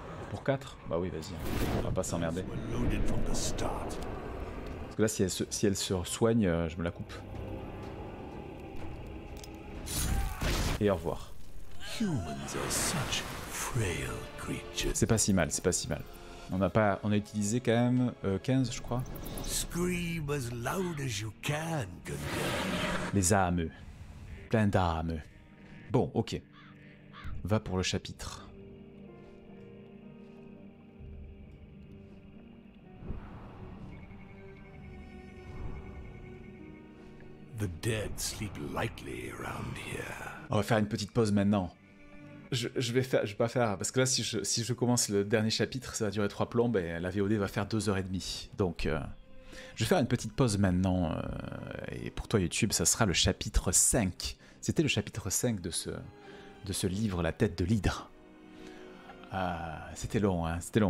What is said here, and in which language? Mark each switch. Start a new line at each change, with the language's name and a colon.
French: Pour 4? Bah oui, vas-y. On va pas s'emmerder. Est-ce que que là, si elle se soigne, je me la coupe. Et au revoir.
English: Humans are such frail creatures.
French: C'est pas si mal. On a utilisé quand même 15, je crois.
English: Scream as loud as you can, Gundam.
French: Les âmes. Plein d'âmes. Bon, ok. Va pour le chapitre.
English: The dead sleep lightly around here.
French: On va faire une petite pause maintenant. Je vais pas faire, parce que là, si je commence le dernier chapitre, ça va durer 3 plombes et la VOD va faire 2h30. Donc, je vais faire une petite pause maintenant. Et pour toi, YouTube, ça sera le chapitre 5. C'était le chapitre 5 de ce livre, La tête de l'hydre. C'était long, hein. C'était long.